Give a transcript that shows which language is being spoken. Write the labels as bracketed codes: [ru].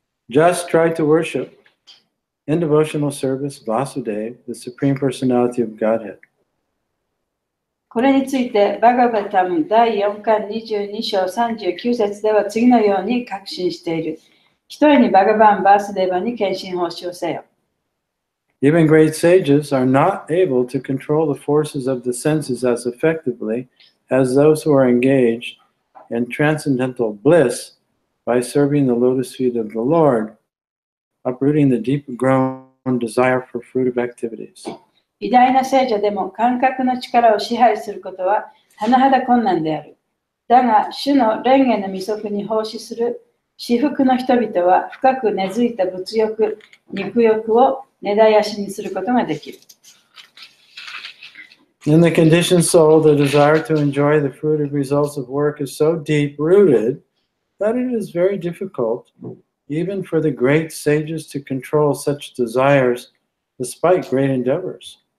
[en] Just try to worship in devotional service Vasudeva, the Supreme Personality of Godhead. [ja] これについてバガヴァタム第4巻22章39節では次のように確信している。一人にバガヴァン・バースデーヴァに献身奉仕をせよ。 [en] Even great sages are not able to control the forces of the senses as effectively as those who are engaged in transcendental bliss by serving the lotus feet of the Lord, uprooting the deep grown desire for fruitive activities. [ja] 偉大な聖者でも感覚の力を支配することは甚だ困難である。だが主の蓮華の御足に奉仕する至福の人々は深く根付いた物欲、肉欲を根絶やしにすることができる。 [en] In the conditioned soul, the desire to enjoy the fruitive results of work is so deep rooted that it is very difficult even for the great sages to control such desires despite great endeavors.